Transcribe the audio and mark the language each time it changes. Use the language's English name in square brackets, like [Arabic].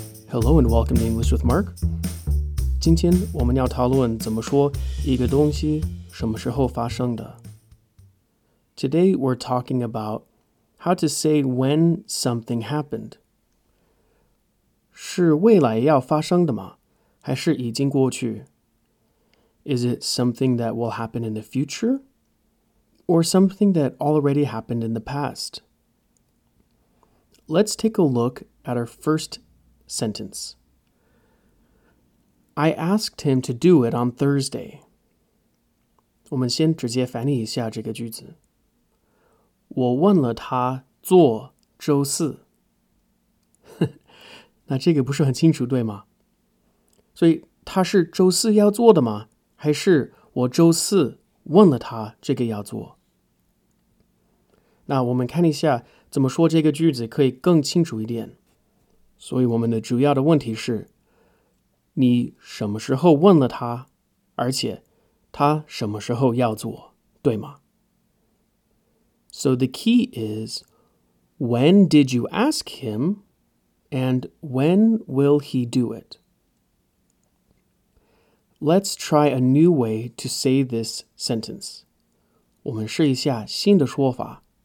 [English] Hello and welcome to English with Mark. [Chinese] 今天我们要讨论怎么说一个东西什么时候发生的。 [English] Today we're talking about how to say when something happened. [Chinese] 是未来要发生的吗？还是已经过去？ [English] Is it something that will happen in the future? Or something that already happened in the past? Let's take a look at our first sentence. I asked him to do it on Thursday. [Chinese] 我们先直接翻译一下这个句子。我问了他做周四。那这个不是很清楚对吗？所以他是周四要做的吗？还是我周四问了他这个要做？那我们看一下怎么说这个句子可以更清楚一点。所以我们的主要的问题是，你什么时候问了他，而且他什么时候要做，对吗？ [English] So the key is, when did you ask him, and when will he do it? Let's try a new way to say this sentence. [Chinese] 我们试一下新的说法。